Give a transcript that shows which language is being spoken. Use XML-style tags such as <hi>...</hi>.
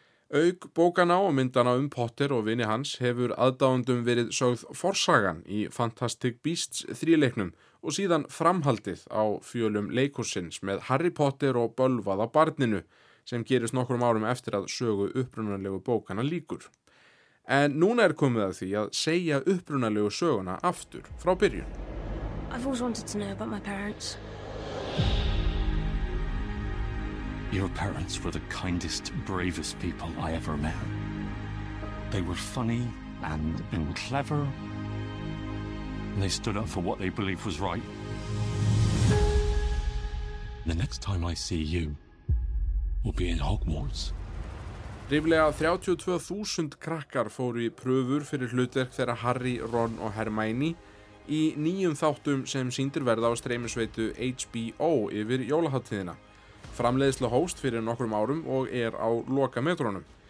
<is>Auk bókana og myndana Potter og vini hans hefur aðdáendum verið sögð forsagan í Fantastic Beasts þríleiknum og síðan framhaldið á fjölum leikhússins með Harry Potter og bölvaða barninu sem gerist nokkrum árum eftir að sögu upprunalegu bókana líkur. En núna komið að því að segja upprunalegu söguna aftur frá byrjun.</is> <en>I've always wanted to know about my parents. Your parents were the kindest, bravest people I ever met. They were funny and clever. And they stood up for what they believed was right. The next time I see you will be in Hogwarts.</en> <is>Ríflega 32.000 krakkar fóru í pröfur fyrir hlutverk þeirra Harry, Ron og Hermione í nýjum þáttum sem sýndir verða á streymisveitu HBO yfir jólahátíðina. Framleiðslu hófst fyrir nokkrum árum og á lokametrunum.</is>